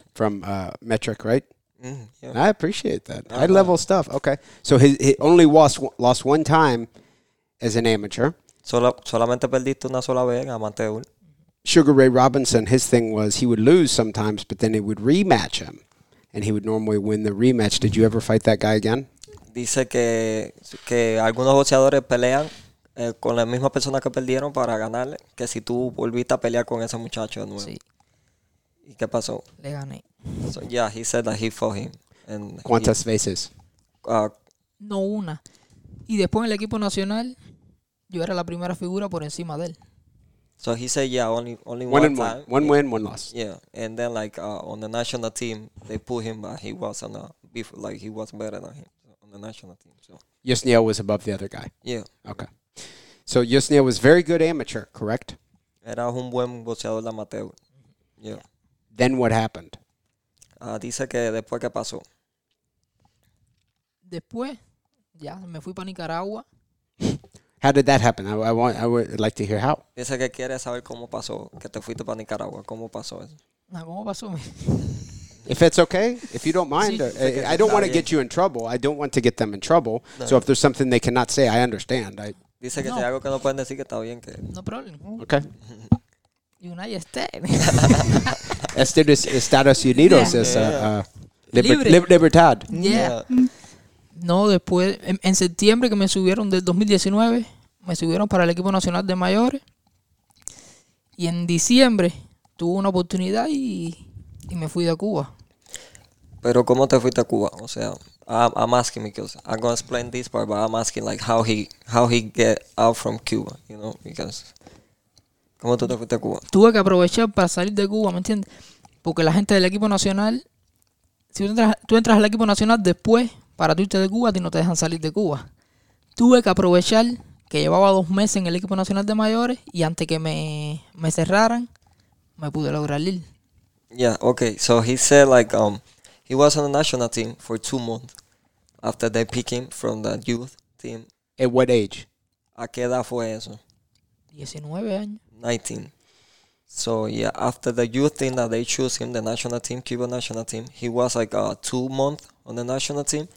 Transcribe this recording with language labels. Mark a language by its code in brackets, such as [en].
[en] From metric, right? Yeah. I appreciate that. Uh-huh. High-level stuff. Okay. So he only lost one time as an amateur. [es] Solamente perdiste una sola vez en amateur. [en] Sugar Ray Robinson, his thing was he would lose sometimes, but then it would rematch him, and he would normally win the rematch. Did you ever fight that guy again? [es] Dice que algunos boxeadores pelean con la misma persona que perdieron para ganarle, que si tú volviste a pelear con ese muchacho de nuevo. Sí. ¿Y qué pasó? Le gané. [en] So, yeah, he said that he fought him. And [es] ¿cuántas veces? No una. Y después en el equipo nacional, yo era la primera figura por encima de él. [en] So he said, yeah, only one time. One win, one loss. Yeah, and then like on the national team, they put him, but he was on he was better than him on the national team. So Yusniel was above the other guy. Yeah. Okay. So Yusniel was very good amateur, correct? [es] Era un buen boxeador amateur. Yeah. [en] Then what happened? [es] Dice que después qué pasó. Después, ya me fui para Nicaragua. [en] How did that happen? I would like to hear how. [es] Dice que quiere saber cómo pasó, que te fuiste para Nicaragua. ¿Cómo pasó eso? ¿Cómo pasó? [en] If it's okay, if you don't mind, sí. I don't want to get you in trouble. I don't want to get them in trouble. No. So if there's something they cannot say, I understand. [es] Dice que si hay algo que no pueden decir, que está bien. Que... [en] No problem. Okay. United States. [es] Este es Estados Unidos. Yeah. Libertad. [en] Yeah. Yeah. [es] No, después, en septiembre que me subieron del 2019, me subieron para el equipo nacional de mayores. Y en diciembre tuve una oportunidad y me fui de Cuba. Pero ¿cómo te fuiste a Cuba? O sea, [en] I'm asking because I'm going to explain this part, but I'm asking like how he get out from Cuba, you know, because [es] ¿cómo tú te fuiste a Cuba? Tuve que aprovechar para salir de Cuba, ¿me entiendes? Porque la gente del equipo nacional, si tú entras al equipo nacional después, para tú irte de Cuba, a ti no te dejan salir de Cuba. Tuve que aprovechar que llevaba 2 meses en el equipo nacional de mayores y antes que me cerraran, me pude lograr ir. [en] Yeah, okay. So he said like he was on the national team for 2 months after they picked him from the youth team. At what age? [es] ¿A qué edad fue eso? 19 años. [en] 19. So yeah, after the youth team that they chose him, the national team, Cuban national team, he was like 2 months on the national team.